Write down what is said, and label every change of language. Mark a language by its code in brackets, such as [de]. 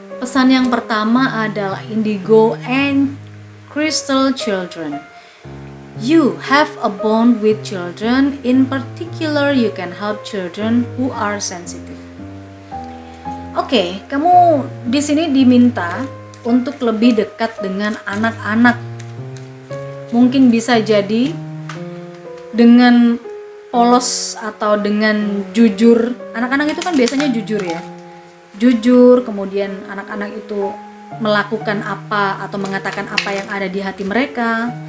[id] pesan yang pertama adalah Indigo and Crystal Children. [en] You have a bond with children, in particular you can help children who are sensitive. [id] Okay, kamu di sini diminta untuk lebih dekat dengan anak-anak. Mungkin bisa jadi dengan polos atau dengan jujur. Anak-anak itu kan biasanya jujur ya. Jujur, kemudian anak-anak itu melakukan apa atau mengatakan apa yang ada di hati mereka.